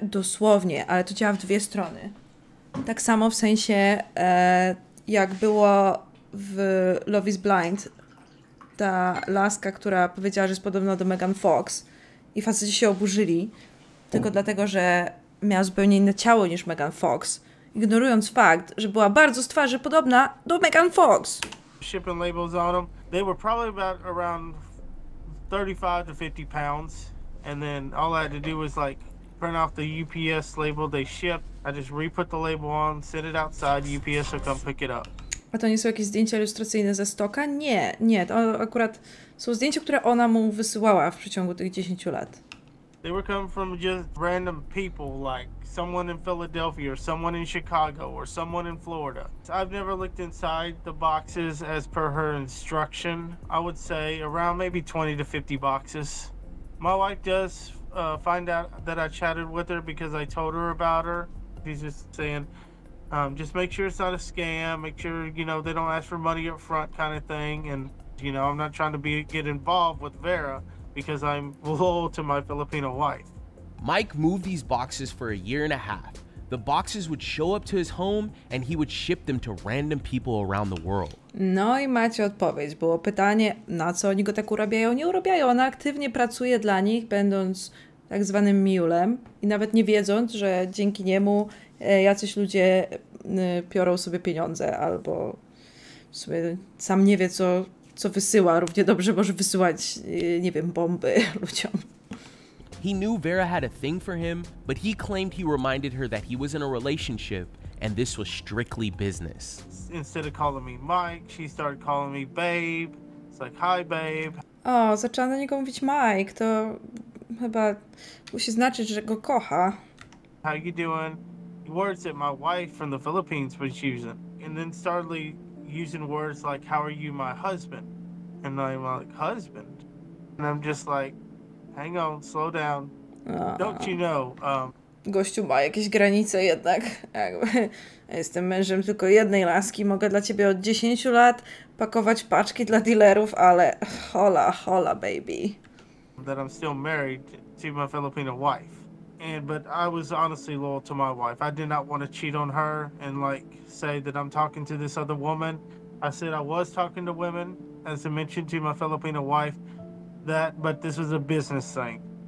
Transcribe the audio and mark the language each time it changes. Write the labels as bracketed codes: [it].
[pl] Dosłownie, ale to działa w dwie strony. Tak samo w sensie, jak było w Love is Blind, ta laska, która powiedziała, że jest podobna do Megan Fox i faceci się oburzyli tylko dlatego, że miała zupełnie inne ciało niż Megan Fox, ignorując fakt, że była bardzo z twarzy podobna do Megan Fox. [en] Shipping labels on them, they were probably about around 35 to 50 pounds and then all I had to do was like print off the UPS label they ship, I just re-put the label on, send it outside, UPS will come pick it up. [pl] A to nie są jakieś zdjęcia ilustracyjne ze stoka? Nie, nie. To akurat są zdjęcia, które ona mu wysyłała w przeciągu tych 10 lat. [en] They were coming from just random people, like someone in Philadelphia, or someone in Chicago, or someone in Florida. I've never looked inside the boxes as per her instruction. I would say around maybe 20 to 50 boxes. My wife does find out that I chatted with her because I told her about her. She's just saying, just make sure it's not a scam, make sure, you know, they don't ask for money up front kind of thing. And, you know, I'm not trying to get involved with Vera because I'm loyal to my Filipino wife. Mike moved these boxes for a year and a half. The boxes would show up to his home and he would ship them to random people around the world. [pl] No i macie odpowiedź. Było pytanie, na co oni go tak urabiają? Nie urabiają, ona aktywnie pracuje dla nich, będąc tak zwanym mulem i nawet nie wiedząc, że dzięki niemu jacyś ludzie piorą sobie pieniądze, albo sobie sam nie wie, co wysyła. Równie dobrze może wysyłać, nie wiem, bomby ludziom. [en] He knew Vera had a thing for him, but he claimed he reminded her that he was in a relationship and this was strictly business. Instead of calling me Mike, she started calling me babe. It's like, hi babe. [pl] O, zaczęła na niego mówić Mike, to chyba musi znaczyć, że go kocha. [en] How you doing? Words that my wife from the Philippines was using, and then started using words like, how are you my husband? And I'm like, husband? And I'm just like, hang on, slow down. Don't you know? [pl] Gościu ma jakieś granice jednak. Jestem mężem tylko jednej laski, mogę dla ciebie od 10 lat pakować paczki dla dealerów, ale hola, hola, baby. [en] That I'm still married to my Filipino wife. But I was honestly loyal to my wife. I did not want to cheat on her and like say that I'm talking to this other woman. I said I was talking to women, as I mentioned to my Filipino wife, that, but this was a business thing.